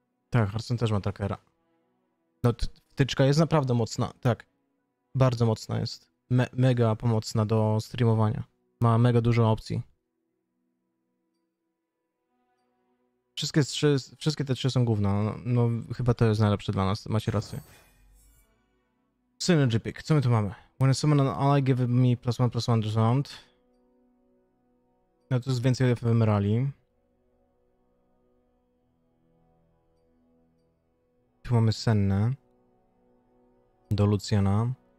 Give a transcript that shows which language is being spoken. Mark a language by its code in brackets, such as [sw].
[pl] Tak, Harson też ma trackera. No, wtyczka jest naprawdę mocna, tak. Bardzo mocna jest. Mega pomocna do streamowania. Ma mega dużo opcji. Wszystkie te trzy są gówna. No chyba to jest najlepsze dla nas, macie rację. Synergy pick, co my tu mamy? [en] When I summon an ally, give me +1/+1 resound. [pl] No to jest więcej w Emerali. Tu mamy Senne. Do Luciana.